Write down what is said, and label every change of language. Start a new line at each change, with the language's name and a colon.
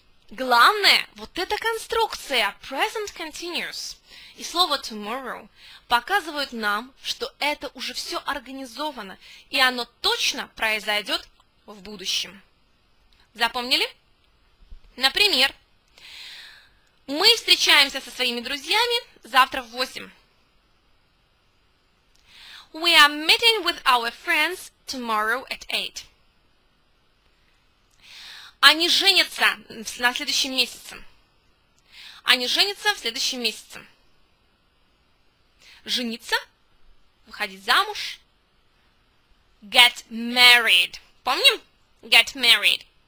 Russian: Главное, вот эта конструкция present continuous и слово tomorrow показывают нам, что это уже все организовано, и оно точно произойдет в будущем. Запомнили? Например, мы встречаемся со своими друзьями завтра в 8.
English: We are meeting with our friends tomorrow at 8.
Russian: Они женятся на следующем месяце. Они женятся в следующем месяце. Жениться, выходить замуж.
English: Get married.
Russian: Помним?
English: Get married.